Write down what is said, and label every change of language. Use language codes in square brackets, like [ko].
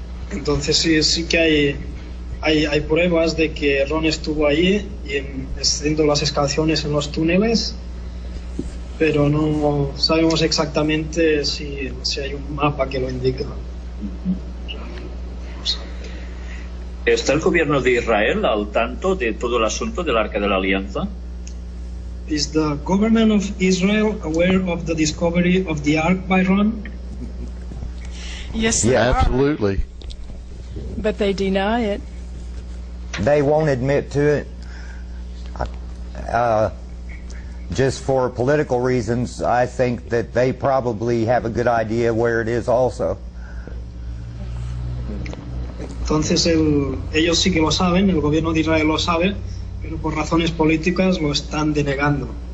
[es] Entonces sí que hay pruebas de que Ron estuvo ahí y haciendo las excavaciones en los túneles, pero no sabemos exactamente si hay un mapa que lo indica. ¿Está el gobierno de Israel al tanto de todo el asunto del Arca de la Alianza? [en] Is the government of Israel aware of the discovery of the Ark by Ron? Yes, they are. Yeah, absolutely. But they deny it. They won't admit to it. Just for political reasons, I think that they probably have a good idea where it is also. [es] Entonces ellos sí que lo saben, el gobierno de Israel lo sabe, pero por razones políticas lo están denegando.